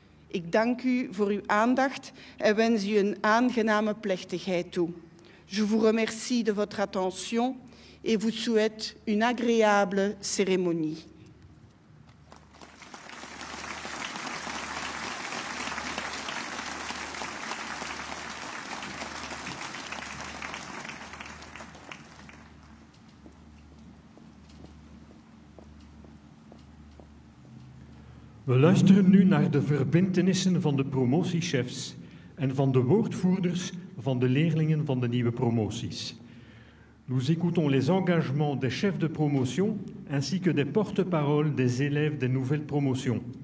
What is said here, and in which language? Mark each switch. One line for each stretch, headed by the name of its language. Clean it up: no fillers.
Dutch: Ik dank u voor uw aandacht en wens u een aangename plechtigheid toe.
French: Je vous remercie de votre attention et vous souhaite une agréable cérémonie.
Dutch: We luisteren nu naar de verbintenissen van de promotiechefs en van de woordvoerders van de leerlingen van de nieuwe promoties.
French: Nous écoutons les engagements des chefs de promotion ainsi que des porte-paroles des élèves des nouvelles promotions.